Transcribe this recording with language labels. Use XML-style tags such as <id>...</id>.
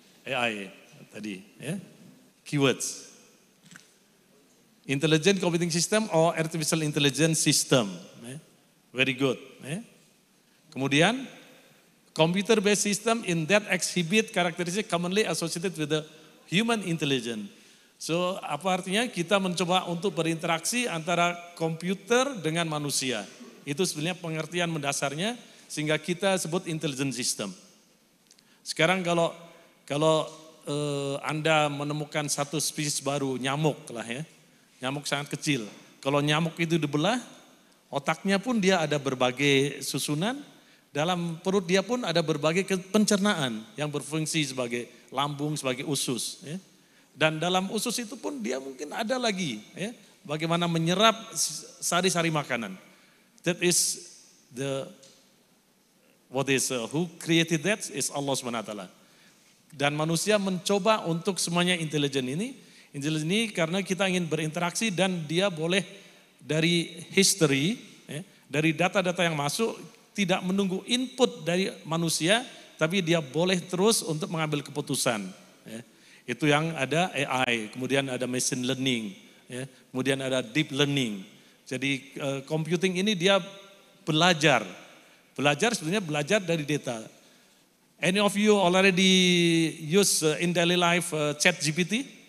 <en>AI tadi. Eh. Keywords. Intelligent Computing System or Artificial Intelligence System. Eh. Very good. Eh. Kemudian, computer-based system in that exhibit characteristic commonly associated with the human intelligence.</en> <id>So, apa artinya? Kita mencoba untuk berinteraksi antara komputer dengan manusia. Itu sebenarnya pengertian mendasarnya sehingga kita sebut intelligent system. Sekarang kalau Anda menemukan satu spesies baru, nyamuk lah ya. Nyamuk sangat kecil. Kalau nyamuk itu dibelah, otaknya pun dia ada berbagai susunan, dalam perut dia pun ada berbagai pencernaan yang berfungsi sebagai lambung sebagai usus, ya. Dan dalam usus itu pun dia mungkin ada lagi, ya, bagaimana menyerap sari-sari makanan.</id> <en>That is the what is who created that is Allah Subhanahu wa taala.</en> <id>Dan manusia mencoba untuk semuanya intelligent ini karena kita ingin berinteraksi dan dia boleh dari history, ya, dari data-data yang masuk tidak menunggu input dari manusia. Tapi dia boleh terus untuk mengambil keputusan. Ya. Itu yang ada AI, kemudian ada machine learning, ya. Kemudian ada deep learning. Jadi computing ini dia belajar. Belajar sebenarnya belajar dari data.</id> <en>Any of you already use in daily life chat GPT?</en>